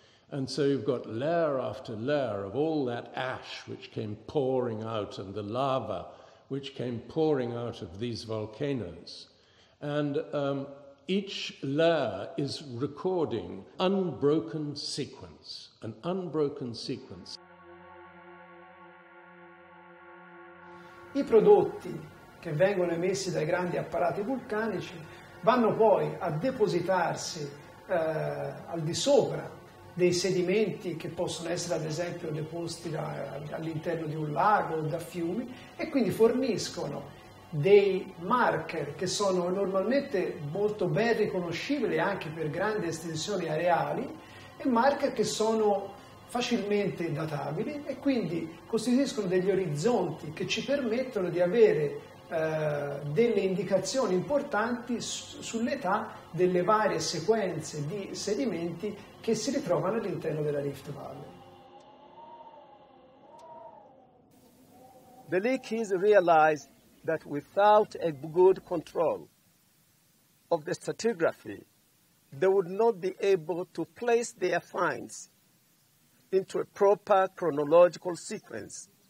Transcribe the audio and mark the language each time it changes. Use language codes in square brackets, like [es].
[en] And so you've got layer after layer of all that ash which came pouring out and the lava which came pouring out of these volcanoes. And each layer is recording an unbroken sequence. [it] I prodotti che vengono emessi dai grandi apparati vulcanici vanno poi a depositarsi al di sopra dei sedimenti che possono essere ad esempio deposti all'interno di un lago o da fiumi, e quindi forniscono dei marker che sono normalmente molto ben riconoscibili anche per grandi estensioni areali, e marker che sono facilmente databili e quindi costituiscono degli orizzonti che ci permettono di avere delle indicazioni importanti sull'età delle varie sequenze di sedimenti che si ritrovano all'interno della Rift Valley. [en] The Leakeys realize that without a good control of the stratigraphy, they would not be able to place their finds into a proper chronological sequence.